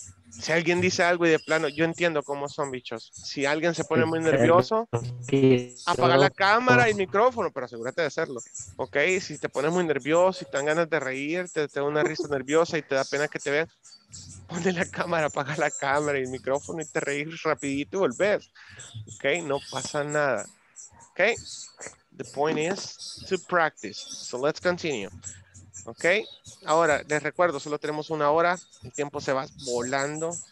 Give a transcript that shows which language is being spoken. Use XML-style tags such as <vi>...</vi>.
<es>Si alguien dice algo y de plano, yo entiendo cómo son bichos. Si alguien se pone muy nervioso, apaga la cámara y el micrófono, pero asegúrate de hacerlo, ok. Si te pones muy nervioso y te dan ganas de reír, te da una risa nerviosa y te da pena que te vean, pone la cámara, apaga la cámara y el micrófono y te reís rapidito y volvés, ok. No pasa nada, ok.</es> <en>The point is to practice, so let's continue.</en> <es>Ok, ahora les recuerdo, solo tenemos una hora, el tiempo se va volando.</es>